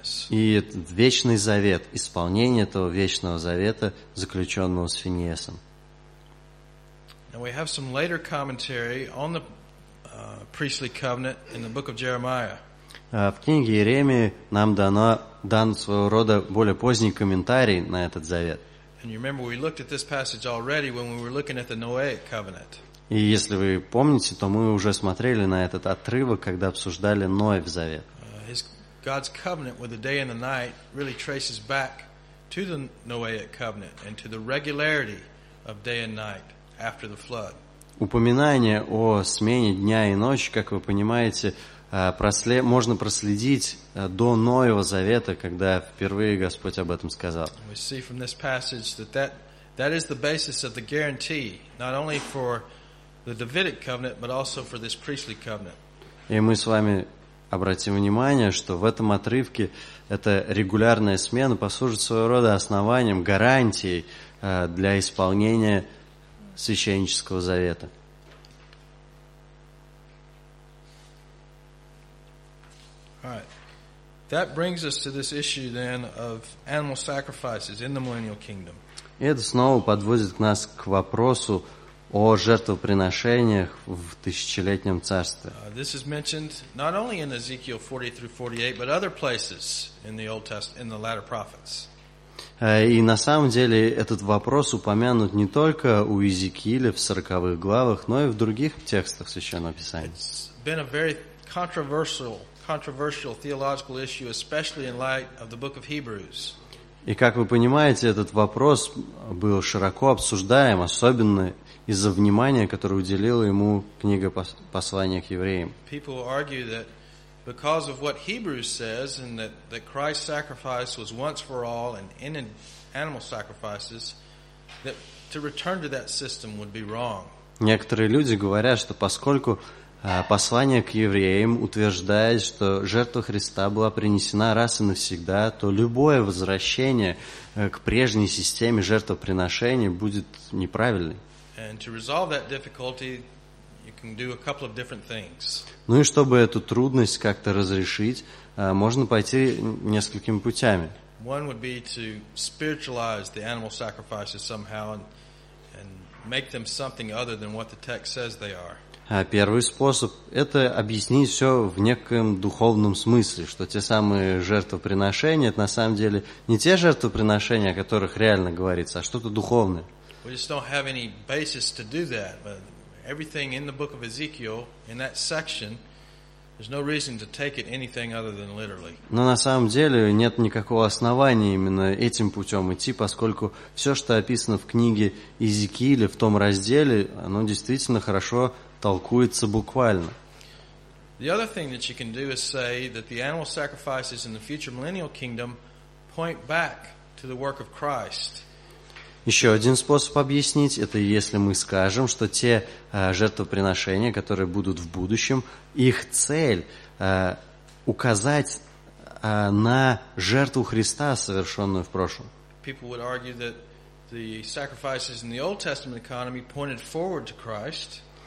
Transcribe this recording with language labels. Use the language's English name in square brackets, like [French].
[Russian] И вечный завет, исполнение этого вечного завета, заключенного с Финиесом. [English] And we have some later commentary on the priestly covenant in the book of Jeremiah. [Russian] В книге Иеремии нам дан своего рода более поздний комментарий на этот завет. [English] And you remember we looked at this passage already when we were looking at the Noahic covenant. [Russian] И если вы помните, то мы уже смотрели на этот отрывок, когда обсуждали Ноев завет. [English] God's covenant with the day and the night really traces back to the Noahic covenant and to the regularity of day and night. After the flood. [Russian] Упоминание о смене дня и ночи, как вы понимаете, можно проследить до Ноева завета, когда впервые Господь об этом сказал. [English] We see from this passage that is the basis of the guarantee, not only for the Davidic covenant, but also for this priestly covenant. [Russian] И мы с вами обратим внимание, что в этом отрывке эта регулярная смена послужит своего рода основанием, гарантией для исполнения Священнического завета. [English] All right. That brings us to this issue then of animal sacrifices in the millennial kingdom. [Russian] И это снова подводит нас к вопросу о жертвоприношениях в тысячелетнем царстве. [English] This is mentioned not only in Ezekiel 40-48, but other places in the Old Testament, in the latter prophets. [Russian] И на самом деле этот вопрос упомянут не только у Иезекииля в 40-х главах, но и в других текстах Священного Писания. [English] It's been a very controversial theological issue, especially in light of the book of Hebrews. [Russian] И как вы понимаете, этот вопрос был широко обсуждаем, особенно из-за внимания, которое уделила ему книга послания к евреям. [English] People argue that because of what Hebrews says, and that Christ's sacrifice was once for all and ended animal sacrifices, that to return to that system would be wrong. [Russian] Некоторые люди говорят, что поскольку послание к евреям утверждает, что жертва Христа была принесена раз и навсегда, то любое возвращение к прежней системе жертвоприношения будет неправильным. [English] And to resolve that difficulty, you can do a couple of different things. [Russian] Ну и чтобы эту трудность как-то разрешить, можно пойти несколькими путями. [English] One would be to spiritualize the animal sacrifices somehow and make them something other than what the text says they are. [Russian] Первый способ – это объяснить все в неком духовном смысле, что те самые жертвоприношения – это на самом деле не те жертвоприношения, о которых реально говорится, а что-то духовное. [English] We just don't have any basis to do that, but everything in the book of Ezekiel in that section, there's no reason to take it anything other than literally. [Russian] Но на самом деле нет никакого основания именно этим путем идти, поскольку все, что описано в книге Иезекииля в том разделе, оно действительно хорошо толкуется буквально. [English] The other thing that you can do is say that the animal sacrifices in the future millennial kingdom point back to the work of Christ. [Russian] Еще один способ объяснить, это если мы скажем, что те жертвоприношения, которые будут в будущем, их цель указать на жертву Христа, совершенную в прошлом. [English] People would argue that the sacrifices in the Old Testament economy pointed forward to Christ.